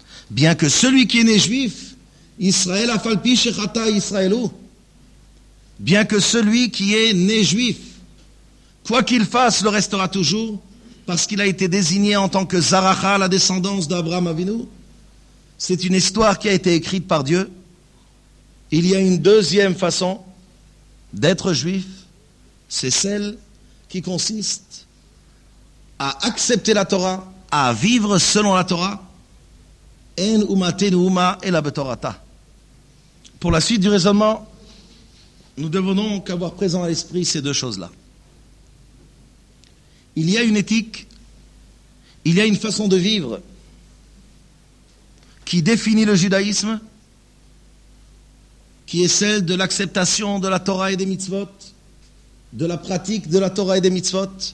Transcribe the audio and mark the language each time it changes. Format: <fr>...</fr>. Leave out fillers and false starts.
<fr>Bien que celui qui est né juif,</fr> <he>Israël afalpi shechata Israelu,</he> <fr>bien que celui qui est né juif, quoi qu'il fasse, le restera toujours, parce qu'il a été désigné en tant que Zaracha, la descendance d'Abraham Avinu. C'est une histoire qui a été écrite par Dieu. Il y a une deuxième façon d'être juif, c'est celle qui consiste à accepter la Torah, à vivre selon la Torah.</fr> <he>En umatenu uma ela betorata.</he> <fr>Pour la suite du raisonnement, nous devons donc avoir présent à l'esprit ces deux choses-là. Il y a une éthique, il y a une façon de vivre qui définit le judaïsme, qui est celle de l'acceptation de la Torah et des mitzvot, de la pratique de la Torah et des mitzvot.</fr>